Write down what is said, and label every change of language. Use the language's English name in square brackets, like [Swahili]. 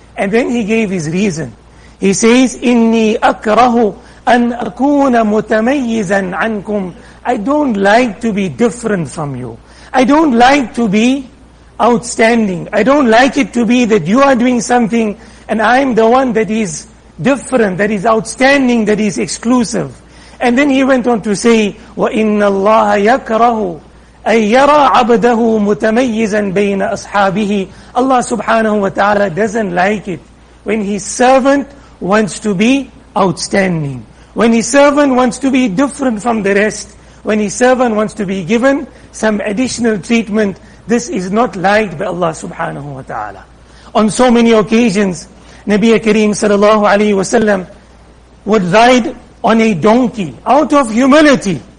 [English] And then he gave his reason. He says, [Arabic] Inni akrahu an akuna mutamayyizan ankum, [English] I don't like to be different from you. I don't like to be outstanding. I don't like it to be that you are doing something and I'm the one that is different, that is outstanding, that is exclusive. And then he went on to say, [Arabic] وَإِنَّ اللَّهَ يَكْرَهُ أَن يَرَى عَبْدَهُ مُتَمَيِّزًا بَيْنَ أَصْحَابِهِ. [English] Allah subhanahu wa ta'ala doesn't like it when his servant wants to be outstanding, when his servant wants to be different from the rest, when his servant wants to be given some additional treatment. This is not liked by Allah subhanahu wa ta'ala. On so many occasions, Nabi Kareem sallallahu alayhi wa sallam would ride on a donkey out of humility.